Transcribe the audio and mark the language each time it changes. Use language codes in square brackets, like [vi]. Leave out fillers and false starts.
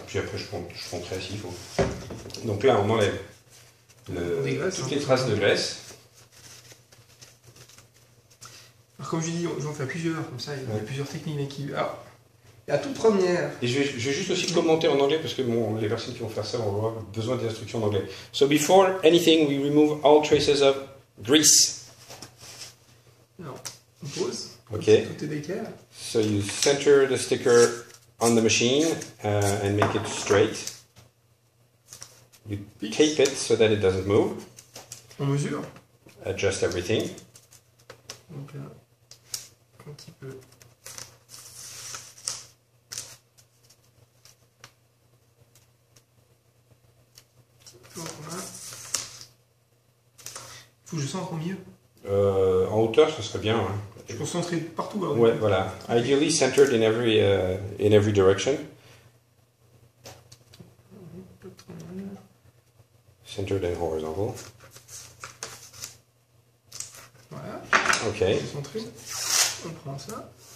[fr] Puis après, je prendrai s'il faut. Donc là, on enlève toutes les traces de graisse. Alors, comme je dis, j'en fais plusieurs comme ça. Il y a plusieurs techniques. Mais qui... Alors, la toute première. Et je vais juste aussi commenter en anglais parce que bon, les personnes qui vont faire ça vont avoir besoin des instructions en anglais. [en] So before anything, we remove all traces of grease. [fr] Alors, on pose. Ok. Tout est d'équerre. [en] So you center the sticker on the machine and make it straight. You tape it so that it doesn't move. [fr] On mesure. [en] Adjust everything. [fr] Donc là, un petit peu. Donc là, il faut que je centre au milieu. En hauteur, ce serait bien. Hein. Je peux centrer partout. Alors, ouais, voilà. Okay. [en] Ideally centered in every direction. Centered and horizontal. [fr] Voilà. Okay. On prend ça.